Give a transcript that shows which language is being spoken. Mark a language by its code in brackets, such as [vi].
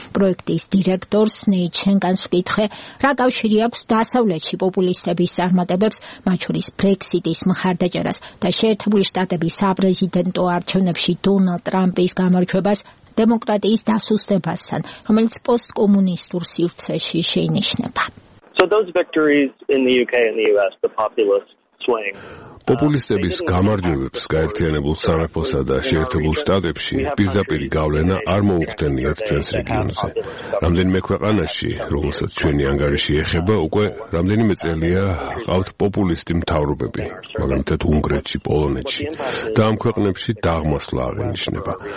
[ka] პროექტის დირექტორს ნეით ჩენკანს ვკითხე, რა კავშირი აქვს დასავლეთში პოპულისტების წარმატებებს, მათ შორის ბრექსიტის მხარდაჭერას და შეერთებული შტატების საპრეზიდენტო არჩევნებში დონალდ ტრამპის გამარჯვებას დემოკრატიის დასუსტებასთან, რომელიც პოსტკომუნისტურ სივრცეში შეინიშნება. [en] So those victories in the UK and the US, the populist swing. [ka] Populistების გამარჯვებებს გაერთიანებულ სამეფოსა და შეერთებულ შტატებში პირდაპირ გავლენა არ მოუხდენია ჩვენს რეგიონზე. რამდენიმე ქვეყანაში, როგორც ჩვენი ანგარიში ეხება, უკვე რამდენიმე წელია ყავთ პოპულისტი მთავრობები, მაგალითად უნგრეთში, პოლონეთში და ამ ქვეყნებში დაღმასვლა აღინიშნება.